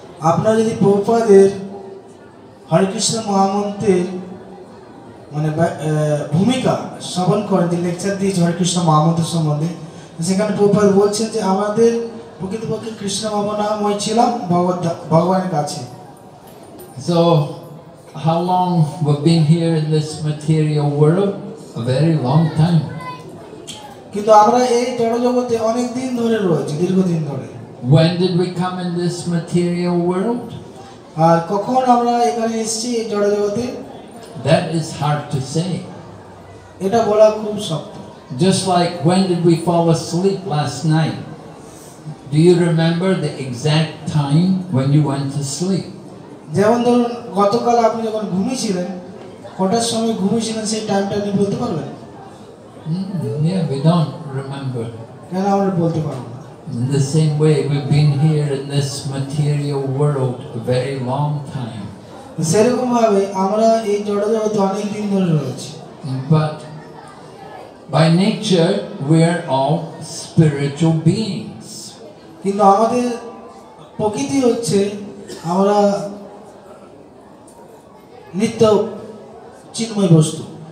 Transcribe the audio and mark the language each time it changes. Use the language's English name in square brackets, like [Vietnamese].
[Bangla] আপনারা যদি প্রভুপাদের হরে কৃষ্ণ মহামন্ত্রের মানে ভূমিকা শ্রবণ করেন, যে লেকচার দিয়েছে হরে কৃষ্ণ মহামন্ত্র সম্বন্ধে, সেখানে প্রভুপাদ বলছেন যে আমাদের প্রকৃতপক্ষে কৃষ্ণ ভাবনাময় ছিলাম ভগবানের কাছে। [English] So, how long we've been here in this material world? A very long time. [Bangla] কিন্তু আমরা এই জড়জগতে অনেক দিন ধরে রয়েছি, দীর্ঘদিন ধরে। [English] When did we come in this material world? [Bangla] আর কখন আমরা এখানে এসেছি এই জড়জগতে? [English] That is hard to say. [Bangla] এটা বলা খুব শক্ত। [English] Just like when did we fall asleep last night? Do you remember the exact time when you went to sleep? [Bangla] যেমন ধরুন গতকাল আপনি যখন ঘুমিয়েছিলেন, কটার সময় ঘুমিয়েছিলেন সেই টাইমটা আপনি বলতে পারবেন? [English] Yeah, we don't remember. [Bangla] কেন আমরা বলতে পারব না? [English] In the same way, we've been here in this material world a very long time. [Bangla] সেরকম ভাবে আমরা এই জড়জগতে অনেক দিন ধরে রয়েছি। [English] But by nature, we are all spiritual beings. [Bangla] কিন্তু আমাদের প্রকৃতি হচ্ছে আমরা নিত্য চিন্ময় বস্তু।